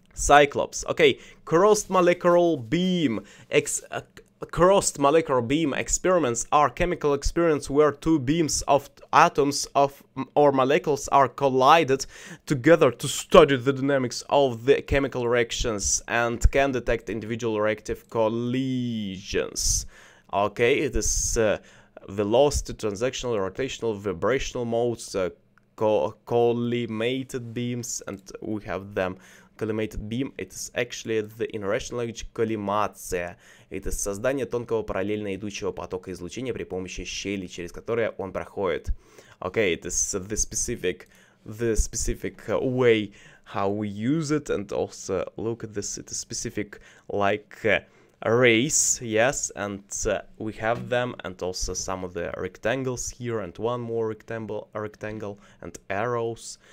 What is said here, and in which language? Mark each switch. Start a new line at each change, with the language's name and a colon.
English: Cyclops, okay, crossed molecular beam experiments are chemical experiments where two beams of atoms or molecules are collided together to study the dynamics of the chemical reactions and can detect individual reactive collisions. Okay, it is velocity, transactional, rotational, vibrational modes, collimated beams, and we have them. Collimated beam, it is actually the in Russian language коллимация.
Russian: Это создание тонкого параллельно идущего потока излучения при помощи щели, через которые он проходит.
English: Okay, it is the specific way how we use it, and also look at this, it is specific like rays, yes, and we have them, and also some of the rectangles here, and one more rectangle, and arrows.